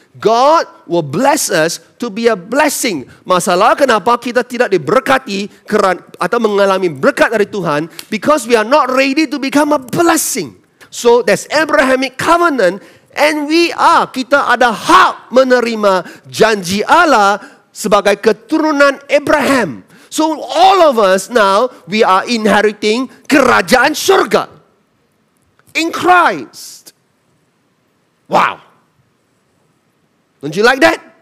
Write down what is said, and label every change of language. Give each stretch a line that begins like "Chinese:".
English: God will bless us to be a blessing.
Malay: Masalah kenapa kita tidak diberkati atau mengalami berkat dari Tuhan?
English: Because we are not ready to become a blessing. So there's Abrahamic covenant and
Malay: kita ada hak menerima janji Allah sebagai keturunan Abraham.
English: So all of us now, we are inheriting
Malay: kerajaan syurga
English: in Christ. Wow. Don't you like that?